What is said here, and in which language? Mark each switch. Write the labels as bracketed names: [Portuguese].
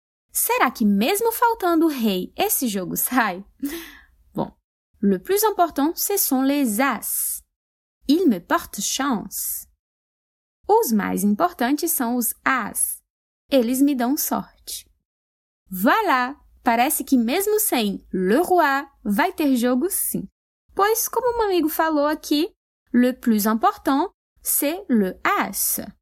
[Portuguese] Será que mesmo faltando o rei, esse jogo sai? [French] Bom, le plus important, ce sont les as. Il me porte chance. [Portuguese] Os mais importantes são os as. Eles me dão sorte. [French] Voilà! [Portuguese] Parece que mesmo sem le roi, vai ter jogo sim. Pois, como um amigo falou aqui, [French] le plus important, c'est le as.